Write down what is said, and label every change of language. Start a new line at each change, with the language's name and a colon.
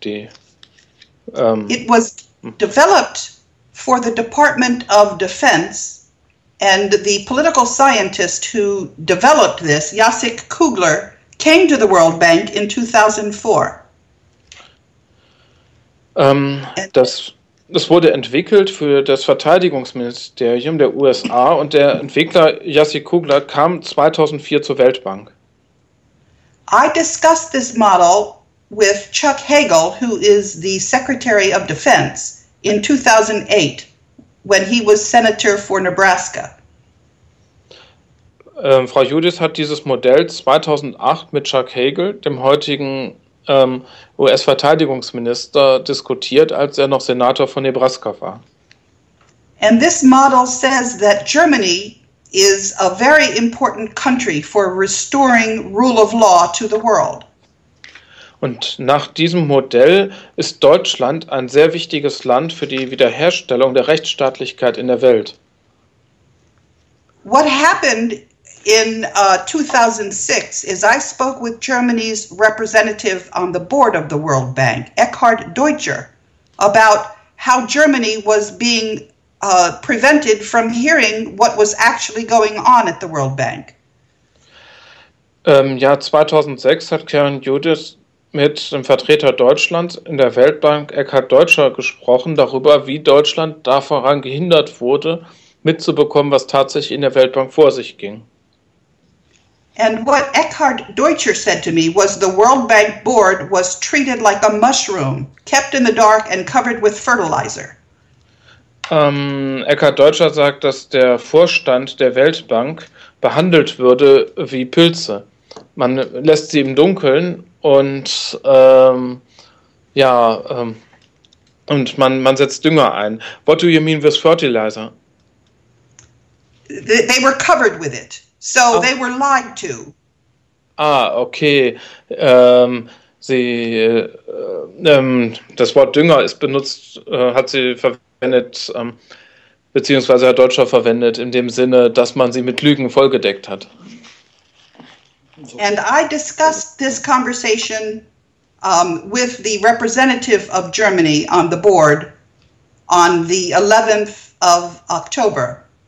English: It was developed for the Department of Defense, and the political scientist who developed this, Jacek Kugler, came to the World Bank in 2004.
German: Das wurde entwickelt für das Verteidigungsministerium der USA, und der Entwickler Jacek Kugler kam 2004 zur Weltbank.
English: I discussed this model with Chuck Hagel, who is the Secretary of Defense, in 2008, when he was Senator for Nebraska.
German: Frau Judith hat dieses Modell 2008 mit Chuck Hagel, dem heutigen US-Verteidigungsminister, diskutiert, als er noch Senator von Nebraska war.
English: And this model says that Germany is a very important country for restoring rule of law to the world.
German: Und nach diesem Modell ist Deutschland ein sehr wichtiges Land für die Wiederherstellung der Rechtsstaatlichkeit in der Welt.
English: What happened in 2006 is I spoke with Germany's representative on the board of the World Bank, Eckhard Deutscher, about how Germany was being prevented from hearing what was actually going on at the World Bank.
German: Im Jahr 2006 hat Karen Judith mit dem Vertreter Deutschlands in der Weltbank, Eckhard Deutscher, gesprochen darüber, wie Deutschland daran gehindert wurde, mitzubekommen, was tatsächlich in der Weltbank vor sich ging.
English: And what Eckhard Deutscher said to me was the World Bank board was treated like a mushroom, kept in the dark and covered with fertilizer.
German: Eckhard Deutscher sagt, dass der Vorstand der Weltbank behandelt würde wie Pilze. Man lässt sie im Dunkeln und man setzt Dünger ein.
English: What do you mean with fertilizer? They were covered with it, so they were lied to. Ah, okay.
German: Das Wort Dünger ist benutzt, hat sie verwendet. Beziehungsweise hat Deutscher verwendet, in dem Sinne, dass man sie mit Lügen vollgedeckt hat.
English: And I discussed this conversation with the representative of Germany on the board on the 11th of October.